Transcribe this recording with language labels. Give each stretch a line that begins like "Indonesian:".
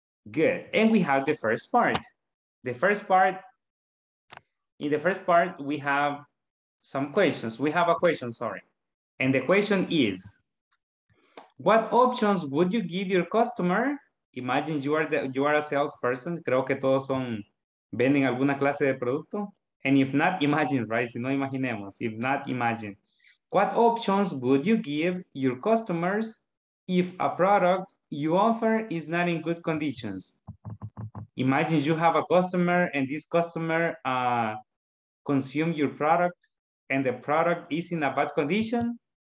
English: Good, and we have the first part. The first part, in the first part, we have some questions. We have a question, sorry. And the question is, what options would you give your customer? Imagine you are, you are a salesperson.
Spanish: Creo que todos son venden alguna clase de producto.
English: And if not, imagine, right?
Spanish: Si no, imaginemos.
English: If not, imagine. What options would you give your customers if a product you offer is not in good conditions? Imagine you have a customer and this customer consumed your product and the product is in a bad condition.